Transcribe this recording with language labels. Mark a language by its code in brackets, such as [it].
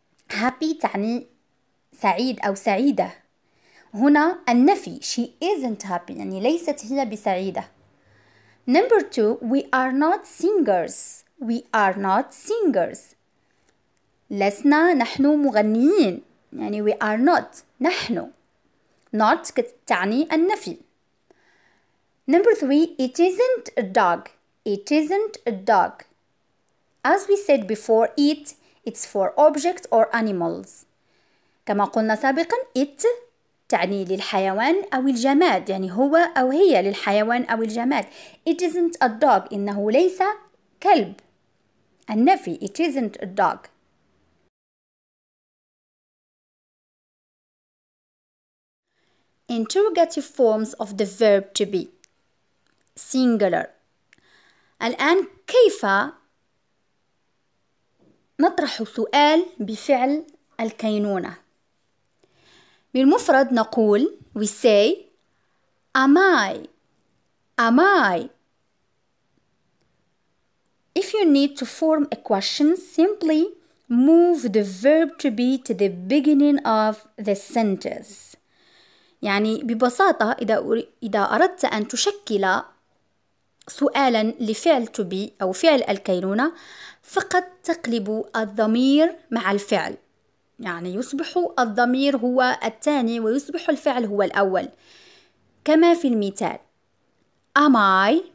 [ar] Happy تعني سعيد أو سعيدة. هنا النفي. [en] She isn't happy. [ar] يعني ليست هي بسعيدة. [en] Number two, we are not singers. We are not singers. [ar] لسنا نحن مغنيين. [en] يعني we are not. [ar] نحن. Not تعني النفي. [en] Number three, it isn't a dog. It isn't a dog. As we said before, it's for objects or animals. [ar] كما قلنا سابقا, it تعني للحيوان أو الجماد، يعني هو أو هي للحيوان أو الجماد. [en] It isn't a dog. [ar] إنه ليس كلب. النفي. [en] It isn't a dog. Interrogative forms of the verb to be. Singular. [ar] الآن كيف نطرح سؤال بفعل الكينونة؟ بالمفرد نقول [en] we say am I. If you need to form a question, simply move the verb to be to the beginning of the sentence. [ar] يعني ببساطة إذا أردت أن تشكل سؤالا لفعل to be أو فعل الكينونة فقد تقلب الضمير مع الفعل، يعني يصبح الضمير هو الثاني ويصبح الفعل هو الأول، كما في المثال [en] Am I?